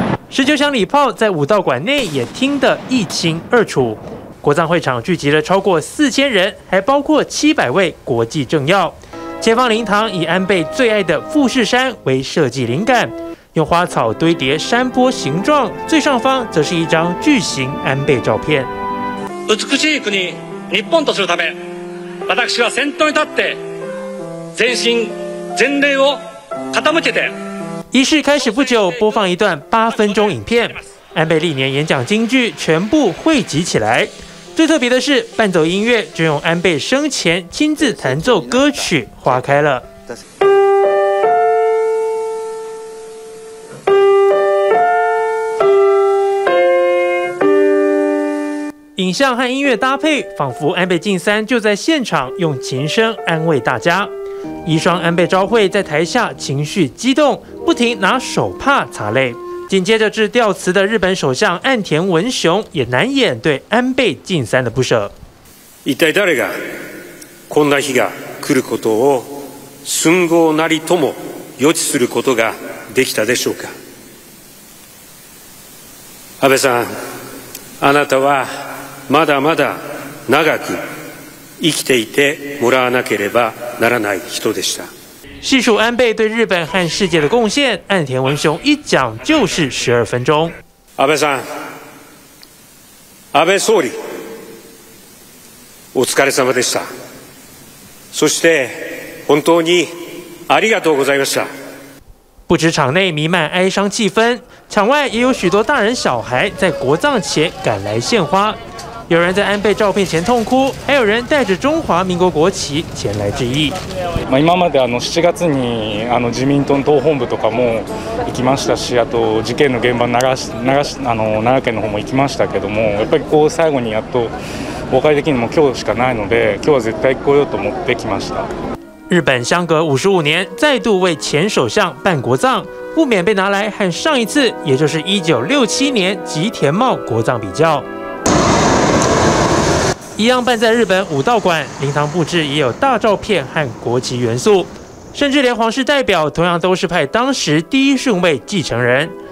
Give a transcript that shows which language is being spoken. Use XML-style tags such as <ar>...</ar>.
<zh>19响礼炮在武道馆内也听得一清二楚。国葬会场聚集了超过4000人，还包括700位国际政要。前方灵堂以安倍最爱的富士山为设计灵感，用花草堆叠山坡形状，最上方则是一张巨型安倍照片。</zh> <ja>美しい国、日本とするため、私は先頭に立って、全身全霊を傾けて。</ja> <zh>仪式开始不久，播放一段8分钟影片。安倍历年演讲金句全部汇集起来，最特别的是伴奏音乐就用安倍生前亲自弹奏歌曲《花开了》。影像和音乐搭配，仿佛安倍晋三就在现场用琴声安慰大家。遗孀安倍昭惠在台下情绪激动，不停拿手帕擦泪。紧接着致悼词的日本首相岸田文雄也难掩对安倍晋三的不舍。</zh> <ja>一体誰がこんな日が来ることを寸毫なりとも予知することができたでしょうか。安倍さん、あなたはまだまだ長く生きていてもらわなければならない人でした。</ja> <zh>细数安倍对日本和世界的贡献，岸田文雄一讲就是12分钟。</zh> <ja>安倍さん、安倍総理、お疲れ様でした。そして本当にありがとうございました。</ja> <zh>不止场内弥漫哀伤气氛，场外也有许多大人小孩在国葬前赶来献花，有人在安倍照片前痛哭，还有人带着中华民国国旗前来致意。</zh> <ja>今まで7月に自民党党本部とかも行きましたし、あと事件の現場奈良県の方も行きましたけども、やっぱりこう最後にやっと和解できるのも今日しかないので、今日は絶対行こうよと思ってきました。</ja> <zh>日本相隔55年，再度为前首相办国葬，不免被拿来和上一次，也就是1967年吉田茂国葬比较。一样办在日本武道馆，灵堂布置也有大照片和国旗元素，甚至连皇室代表同样都是派当时第一顺位继承人。</zh>